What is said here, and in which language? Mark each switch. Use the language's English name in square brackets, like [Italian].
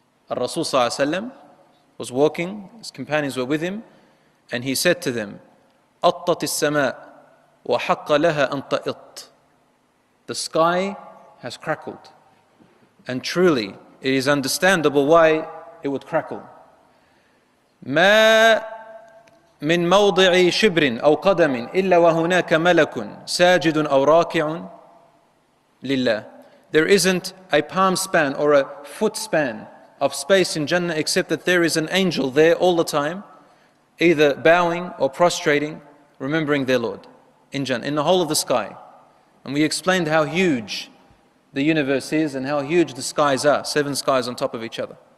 [English] Rasul sallallahu alayhi wa sallam was walking, his companions were with him, and he said to them, [Arabic] أطت السماء وحق لها أن تأط. [English] The sky has crackled, and truly it is understandable why it would crackle. [Arabic] ما من موضع شبر أو قدم إلا وهناك ملك ساجد أو راكع لله. [English] There isn't a palm span or a foot span of space in Jannah, except that there is an angel there all the time, either bowing or prostrating, remembering their Lord in Jannah, in the whole of the sky. And we explained how huge the universe is and how huge the skies are, seven skies on top of each other.